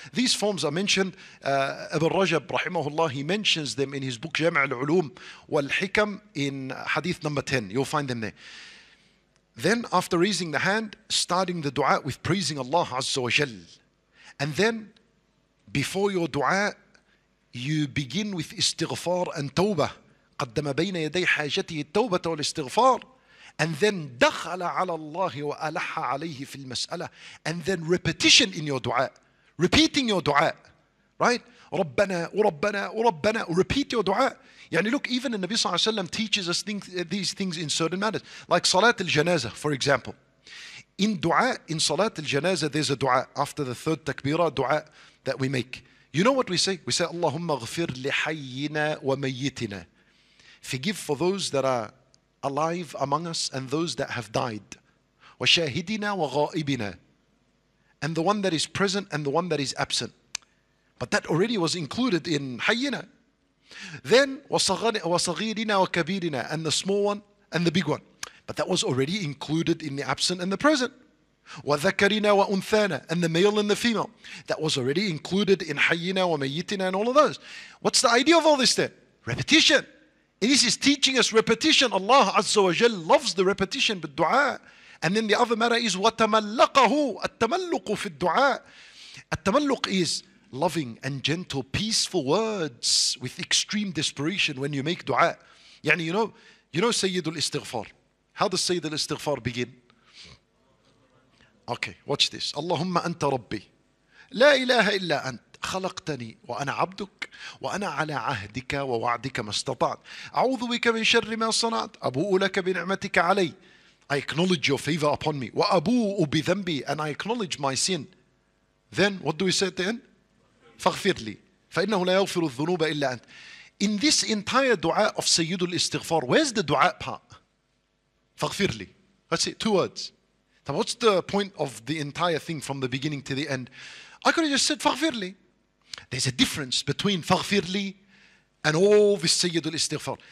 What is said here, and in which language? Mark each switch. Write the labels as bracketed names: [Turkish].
[English] These forms are mentioned. Ibn Rajab rahimahullah, he mentions them in his book Jam' al-Ulum wal-Hikam in hadith number 10. You'll find them there. Then after raising the hand, starting the dua with praising Allah azza wa jal. And then before your dua, you begin with istighfar and tawbah. [Arabic] قَدَّمَ بَيْنَ يَدَيْ حَاجَتِهِ التَّوْبَةَ وَالْاِسْتِغْفَارِ. [English] And then [Arabic] دخل على الله وألح عليه في المسألة. [English] And then repetition in your dua, repeating your dua, right? [Arabic] ربنا وربنا وربنا. [English] Repeat your dua. يعني look, even the Nabi صلى الله عليه وسلم teaches us things, these things in certain matters, like صلاة الجنازة, for example. In dua, in صلاة الجنازة, there's a dua after the third takbira, dua that we make. You know what we say? We say [Arabic] اللهم اغفر لحينا وميتنا. [English] Forgive for those that are alive among us and those that have died. [Arabic] وَشَاهِدِنَا وَغَائِبِنَا. [English] And the one that is present and the one that is absent. But that already was included in حَيِّنَا. [Arabic] Then وَصَغِيرِنَا وَكَبِيرِنَا. [English] And the small one and the big one. But that was already included in the absent and the present. [Arabic] وَذَكَرِنَا وَأُنْثَانَا. [English] And the male and the female. That was already included in [Arabic] حَيِّنَا وَمَيِّتِنَا [English] and all of those. What's the idea of all this then? Repetition. This is teaching us repetition. Allah Azza wa Jal loves the repetition with dua. And then the other matter is [Arabic] وَتَمَلَّقَهُ التَّمَلُّقُ فِي الدُّعَاء. [English] التَّمَلُّق is loving and gentle, peaceful words with extreme desperation when you make dua. يعني you know Sayyidul Istighfar. How does Sayyidul Istighfar begin? Okay, watch this. [Arabic] اللهم أنت ربي لا إله إلا أنت خلقتني وأنا عبدك وأنا على عهدك ووعدك ما استطعت أعوذ بك من شر ما صنعت أبوء لك بنعمتك علي. [English] I acknowledge your favor upon me. [Arabic] وأبوء بذنبي. [English] And I acknowledge my sin. Then what do we say at the end? [Arabic] فاغفر لي فإنه لا يغفر الذنوب إلا أنت. [English] In this entire dua of سيد الاستغفار, where's the dua part? [Arabic] فاغفر لي. [English] That's it, two words. So what's the point of the entire thing from the beginning to the end? I could have just said [Arabic] فاغفر لي. [English] There's a difference between فاغفر لي and all this سيد الاستغفار.